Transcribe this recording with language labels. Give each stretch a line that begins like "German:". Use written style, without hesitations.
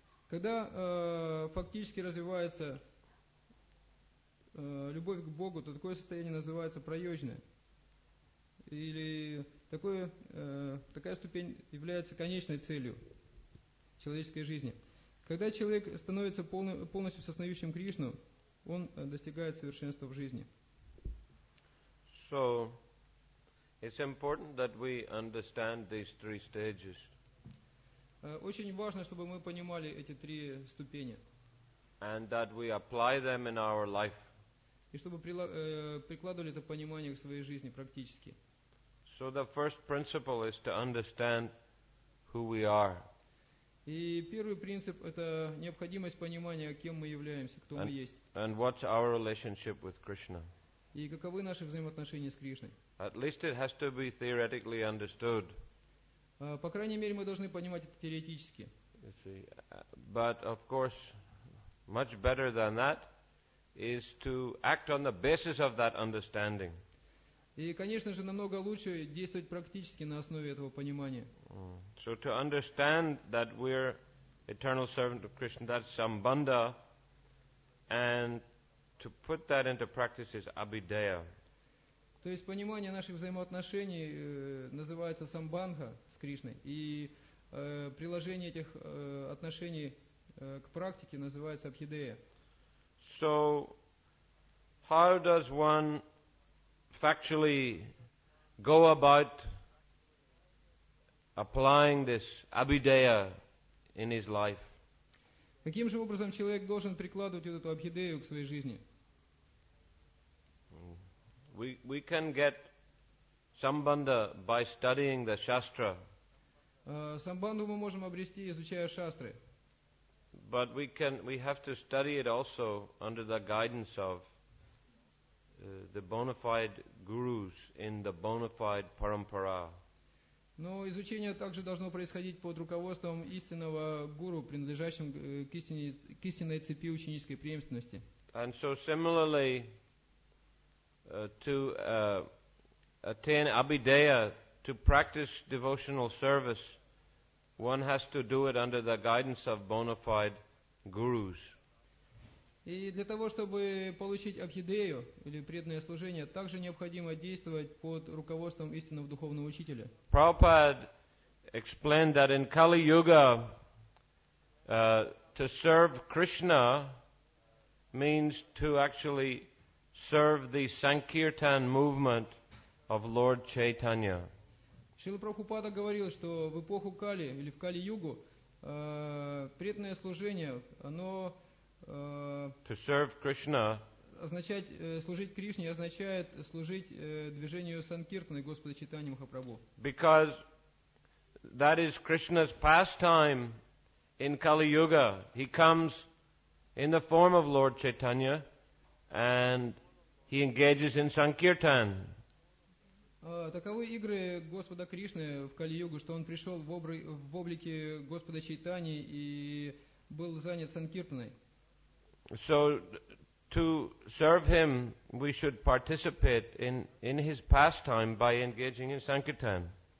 Russian: Когда фактически развивается любовь к Богу, то такое состояние называется прайожна. Или такая ступень является конечной целью человеческой жизни. Когда человек становится полностью сознающим Кришну, он достигает совершенства в жизни.
English: So, it's important that we understand these three stages.
Russian: Очень важно, чтобы мы понимали эти три ступени.
English: And that we apply them in our life.
Russian: И чтобы прикладывали это понимание к своей жизни практически.
English: So the first principle is to understand who we are.
Russian: И первый принцип – это необходимость понимания, кем мы являемся, кто мы есть.
English: And what's our relationship with Krishna.
Russian: И каковы наши взаимоотношения с Кришной.
English: At least it has to be theoretically understood.
Russian: По крайней мере, мы должны понимать это теоретически.
English: But of course, much better than that is to act on the basis of that understanding.
Russian: И, конечно же, намного лучше действовать практически на основе этого понимания.
English: So to understand that we're eternal servant of Krishna, that's sambandha, and to put that into practice is abhideya.
Russian: То есть понимание наших взаимоотношений называется самбанха с Кришной, и приложение этих отношений к практике называется абхидея.
English: So, how does one factually go about applying this abhideya in his life?
Russian: Каким же образом человек должен прикладывать вот эту абхидею к своей жизни?
English: We can get sambandha by studying the shastra.
Russian: Sambandhu мы можем обрести, изучая шастры.
English: But we have to study it also under the guidance of the bona fide gurus in the bona fide parampara.
Russian: Но изучение также должно происходить под руководством истинного гуру, принадлежащим к, истине, к истинной цепи ученической преемственности.
English: And so similarly, to attain Abhideya, to practice devotional service, one has to do it under the guidance of bona fide gurus.
Russian: И для того, чтобы получить Абхидею, или преданное служение, также необходимо действовать под руководством истинного духовного учителя.
English: Prabhupada explained that in Kali Yuga, to serve Krishna means to actually serve the Sankirtan movement of Lord Chaitanya.
Russian: Шрила Прабхупада говорил, что в эпоху Кали, или в Кали-Югу, преданное служение, оно...
English: To serve Krishna
Russian: означает служить Кришне означает служить движению Санкиртаны Господа Чайтанья Махапрабху.
English: Because that is Krishna's pastime in Kali Yuga. He comes in the form of Lord Chaitanya and he engages in Sankirtan.
Russian: Таковы игры Господа Кришны в Кали Югу, что он пришел в облике Господа Чайтаньи и был занят Санкиртаной.
English: So, to serve him, we should participate in his pastime by engaging in Sankirtan.